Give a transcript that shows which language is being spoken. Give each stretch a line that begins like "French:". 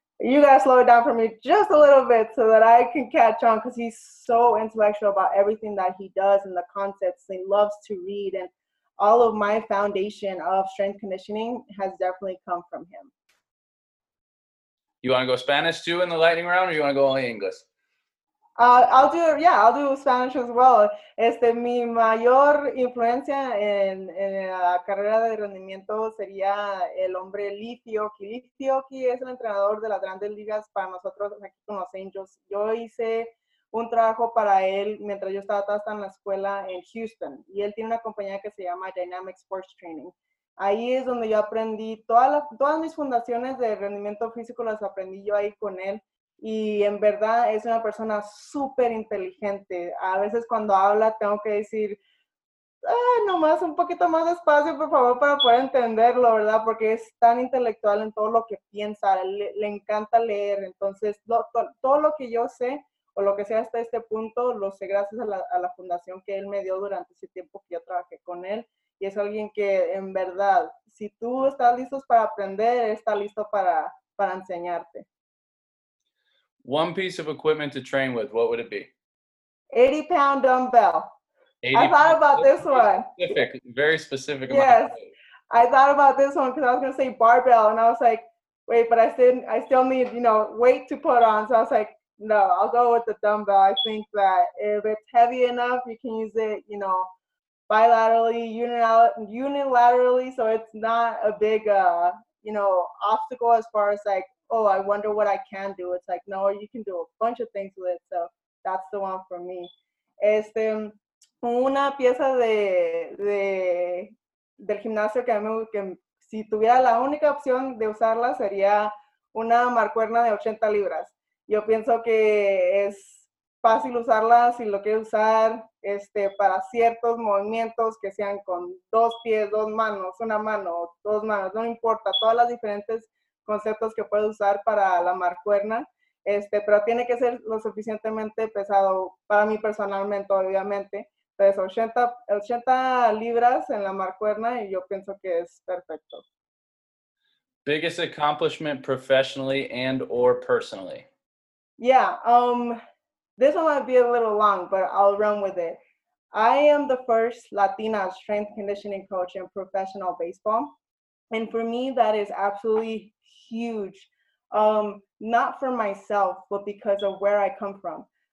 English: you gotta slow it down for me just a little bit so that I can catch on, because he's so intellectual about everything that he does and the concepts. He loves to read, and all of my foundation of strength conditioning has definitely come from him. You want to go Spanish too in the lightning round, or you want to go only English? I'll do Spanish as well.
Spanish: Este, mi mayor influencia en la carrera de rendimiento sería el hombre Lithio. Lithio es el entrenador de las grandes ligas para nosotros aquí con los Angels. Yo hice un trabajo para él mientras yo estaba en la escuela en Houston. Y él tiene una compañía que se llama Dynamic Sports Training. Ahí es donde yo aprendí todas mis fundaciones de rendimiento físico, las aprendí yo ahí con él. Y en verdad es una persona súper inteligente. A veces cuando habla tengo que decir, nomás un poquito más despacio, por favor, para poder entenderlo, ¿verdad? Porque es tan intelectual en todo lo que piensa, le encanta leer. Entonces, todo lo que yo sé, o lo que sea hasta este punto, lo sé gracias a la fundación que él me dio durante ese tiempo que yo trabajé con él. Y es alguien que, en verdad, si tú estás listo para aprender, está listo para enseñarte.
English: One piece of equipment to train with, what would it be? 80-pound dumbbell. 80 I thought about this one. Specific, very specific. Yes, I thought about this one because I was going to say barbell, and I was like, wait, but I still need, you know, weight to put on. So I was like, no, I'll go with the dumbbell. I think that if it's heavy enough, you can use it, you know, bilaterally, unilaterally, so it's not a big, obstacle as far as like, oh, I wonder what I can do. It's like, no, you can do a bunch of things with it. So that's the one for me.
Spanish: Este, una pieza del gimnasio que si tuviera la única opción de usarla sería una marcuerna de 80 libras. Yo pienso que es fácil usarla si lo quieres usar para ciertos movimientos que sean con dos pies, dos manos, una mano, dos manos, no importa, todas las diferentes conceptos que puedes usar para la marcuerna, pero tiene que ser lo suficientemente pesado para mí personalmente, obviamente. Entonces, 80 libras en la marcuerna y yo pienso que es perfecto.
English: Biggest accomplishment professionally and or personally? Yeah, this one might be a little long, but I'll run with it. I am the first Latina strength conditioning coach in professional baseball. And for me, that is absolutely huge, not for myself, but because of where I come from.